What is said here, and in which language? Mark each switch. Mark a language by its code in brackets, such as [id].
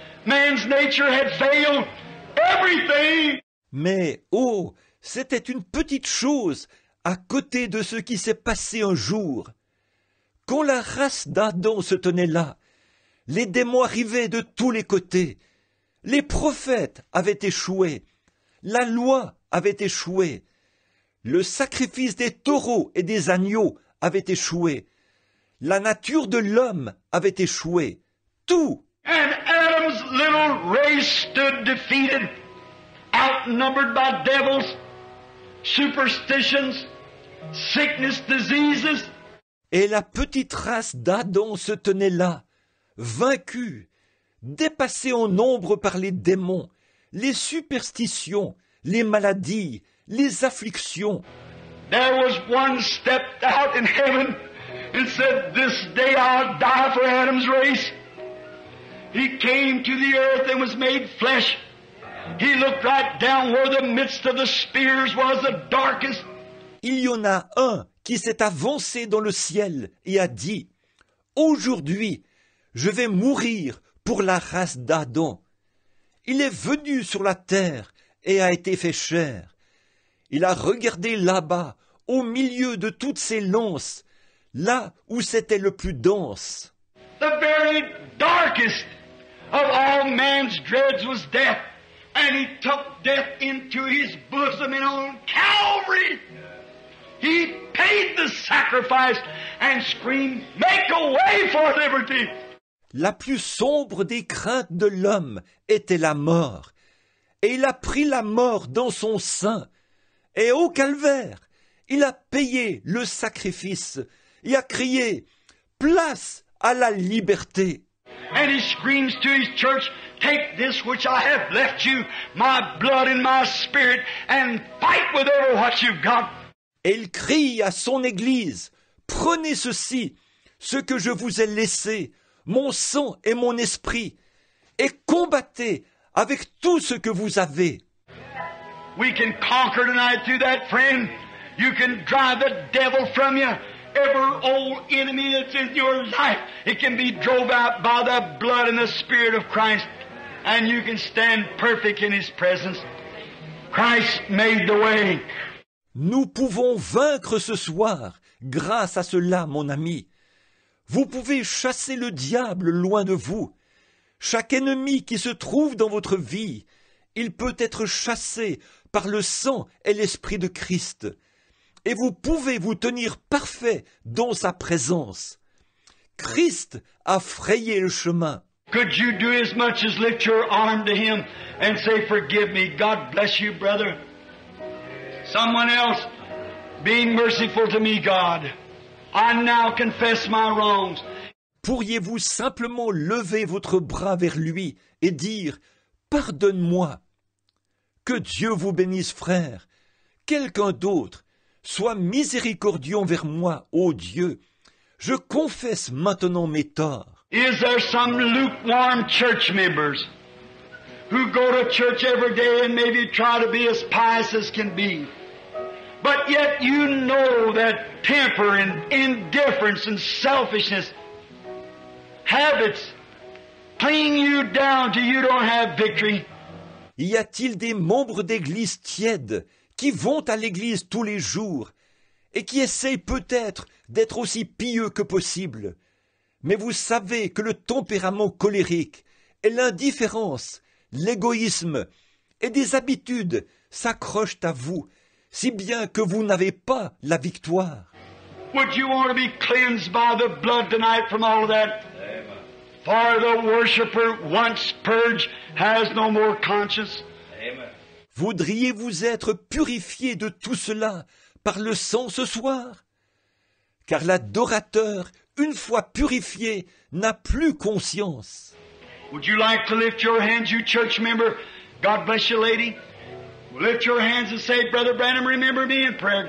[en] Man's nature had failed everything. [fr] Mais, oh, c'était une petite chose à côté de ce qui s'est passé un jour. Quand la race d'Adam se tenait là, les démons arrivaient de tous les côtés. Les prophètes avaient échoué. La loi avait échoué. Le sacrifice des taureaux et des agneaux avait échoué. La nature de l'homme avait échoué. Tout. [en] And Adam's little race stood defeated, outnumbered by devils, superstitions, sickness, diseases. [fr] Et la petite race d'Adam se tenait là, vaincue, dépassée en nombre par les démons, les superstitions, les maladies, les afflictions. [en] There was one stepped out in heaven and said, "This day I'll die for Adam's race." He came to the earth and was made flesh. He looked right down where the midst of the spears was the darkest. [fr] Il y en a un qui s'est avancé dans le ciel et a dit, « Aujourd'hui, je vais mourir pour la race d'Adam. » Il est venu sur la terre et a été fait chair. Il a regardé là-bas, au milieu de toutes ses lances, là où c'était le plus dense. [en] The very darkest of all man's dreads was death, and he took death into his bosom and on Calvary. He paid the sacrifice and screamed, "Make a way for liberty." [fr] La plus sombre des craintes de l'homme était la mort, et il a pris la mort dans son sein, et au calvaire, il a payé le sacrifice et a crié, "Place à la liberté." [en] And he screams to his church, "Take this which I have left you, my blood and my spirit, and fight with all what you've got." [fr] Et il crie à son église, "Prenez ceci, ce que je vous ai laissé, mon sang et mon esprit, et combattez avec tout ce que vous avez." [en] We can conquer tonight through that, friend. You can drive the devil from you. Every old enemy that's in your life, it can be drove out by the blood and the Spirit of Christ, and you can stand perfect in His presence. Christ made the way. [fr] Nous pouvons vaincre ce soir grâce à cela, mon ami. Vous pouvez chasser le diable loin de vous. Chaque ennemi qui se trouve dans votre vie, il peut être chassé par le sang et l'Esprit de Christ. Et vous pouvez vous tenir parfait dans sa présence. Christ a frayé le chemin. [en] Could you do as much as lift your arm to him and say, forgive me, God bless you, brother. Someone else being merciful to me, God. I now confess my wrongs. [fr] Pourriez-vous simplement lever votre bras vers lui et dire, pardonne-moi. Que Dieu vous bénisse, frère. Quelqu'un d'autre, sois miséricordieux envers moi, ô Dieu. Je confesse maintenant mes torts. [en] Is there some lukewarm church members who go to church every day and maybe try to be as pious as can be, but yet you know that temper and indifference and selfishness, habits, pulling you down till you don't have victory? [fr] Y a-t-il des membres d'église tièdes qui vont à l'église tous les jours et qui essayent peut-être d'être aussi pieux que possible? Mais vous savez que le tempérament colérique et l'indifférence, l'égoïsme et des habitudes s'accrochent à vous, si bien que vous n'avez pas la victoire. [en] Would you want to be cleansed by the blood tonight from all of that? Amen. For the worshipper, once purged, has no more conscience. Amen. [fr] Voudriez-vous être purifié de tout cela par le sang ce soir? Car l'adorateur, une fois purifié, n'a plus conscience. [en] Would you like to lift your hands, you church member? God bless you, lady. Lift your hands and say, Brother Branham, remember me in prayer.